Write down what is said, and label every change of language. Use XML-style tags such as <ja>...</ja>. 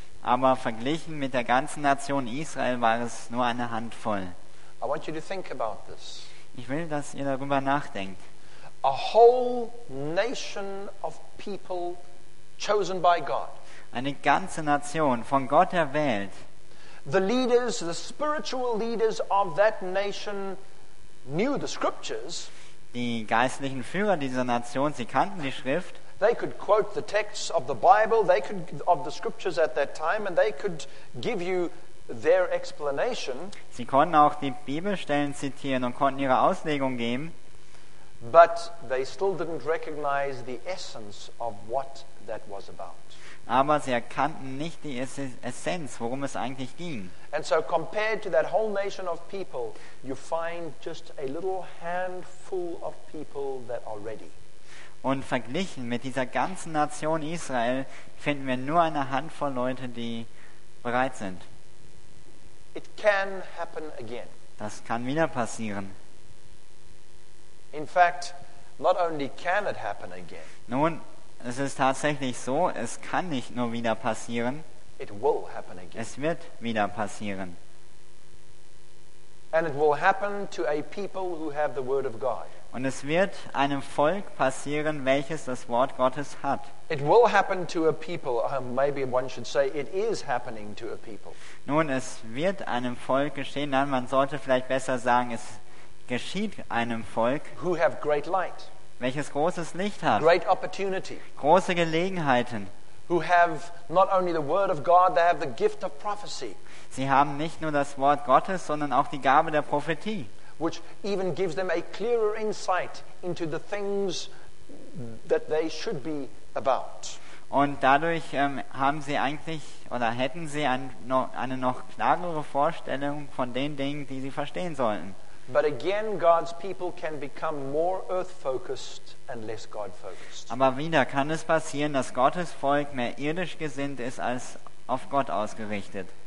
<de>Aber verglichen mit der ganzen Nation Israel war es nur eine Handvoll.</de> <en>I want you to think about this.</en> <de>Ich will, dass ihr darüber nachdenkt.</de> <en>A whole nation of people chosen by God.</en> <de>Eine ganze Nation von Gott erwählt.</de> <en>The leaders, the spiritual leaders of that nation knew the scriptures.</en> <de>Die geistlichen Führer dieser Nation, sie kannten die Schrift.</de> <en>They could quote the texts of the Bible, they could of the scriptures at that time, and they could give you their explanation.</en> <de>Sie konnten auch die Bibelstellen zitieren und konnten ihre Auslegung geben.</de> <en>But they still didn't recognize the essence of what that was about.</en> <de>Aber sie erkannten nicht die Essenz, worum es eigentlich ging.</de> <en>And so compared to that whole nation of people, you find just a little handful of people that are ready.</en> <de>Und verglichen mit dieser ganzen Nation Israel finden wir nur eine Handvoll Leute, die bereit sind.</de> <en>It can happen again.</en> <de>Das kann wieder passieren.</de> <en>In fact, not only can it happen again.</en> <de>Nun, es ist tatsächlich so, es kann nicht nur wieder passieren.</de> <en>It will happen again.</en> <de>Es wird wieder passieren.</de> <en>And it will happen to a people who have the word of God.</en> <de>Und es wird einem Volk passieren, welches das Wort Gottes hat.</de> <en>It will happen to a people, maybe one should say it is happening to a people.</en> <de>Nun, es wird einem Volk geschehen, nein, man sollte vielleicht besser sagen, es geschieht einem Volk,</de> <en>who have great light,</en> <de>welches großes Licht hat,</de> <en>great opportunity,</en> <de>große Gelegenheiten,</de> <en>who have not only the word of God, they have the gift of prophecy.</en> <de>Sie haben nicht nur das Wort Gottes, sondern auch die Gabe der Prophetie,</de> <en>which even gives them a clearer insight into the things that they should be about.</en> <de>Und dadurch haben sie eigentlich oder hätten sie eine noch klarere Vorstellung von den Dingen, die sie verstehen sollten.</de> <en>But again, God's people can become more earth-focused and less God-focused.</en> <de>Aber wieder kann es passieren, dass Gottes Volk mehr irdisch gesinnt ist als auf Gott ausgerichtet.</de>